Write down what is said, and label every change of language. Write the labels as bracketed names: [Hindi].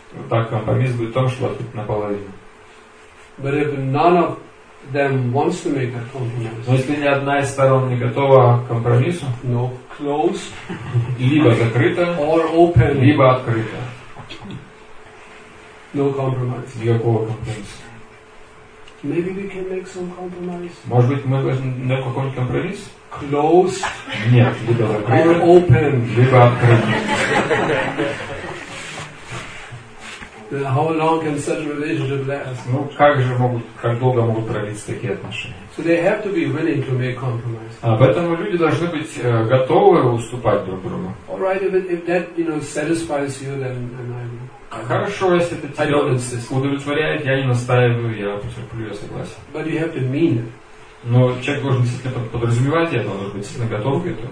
[Russian] Так компромисс будет в том, что открыть наполовину. [English] But if none of them wants to make that compromise. [Russian] Но если ни одна из сторон не готова к компромиссу, [English] no, close. [Russian] Либо закрыто, [English] or open. [Russian] Либо открыто. [English] No compromise. [Russian] Никакого компромисса. [English] Maybe we can make some compromise. [Russian] Может быть, мы должны на какой-нибудь компромисс? [English] Close. [Russian] Нет, либо закрыто. [English] Or open. [Russian] Либо открыто. [English] Then how long can such relationship last? [Russian] Ну как же могут, как долго могут продлиться такие отношения? [English] So they have to be willing to make compromise. [Russian] А поэтому люди должны быть готовы уступать друг другу. [English] All right, if that, you know, satisfies you, then I will. [Russian] Хорошо, если это тебя удовлетворяет, я не настаиваю, я потерплю, я согласен. [English] But you have to mean it. [Russian] Но человек должен действительно подразумевать это, он должен быть действительно готов к этому.